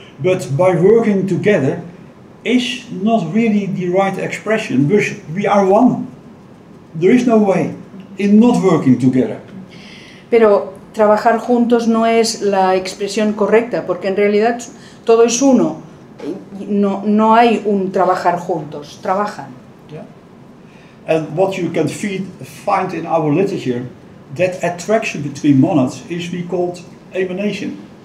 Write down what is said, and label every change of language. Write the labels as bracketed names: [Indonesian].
[English] But by working together is not really the right expression, but we are one. There is no way in not working together. [Spanish] Pero trabajar juntos no es la expresión correcta, porque en realidad todo es uno. No hay un trabajar juntos, trabajan. [English] Yeah. And what you can find in our literature, that attraction between monads is we called emanation.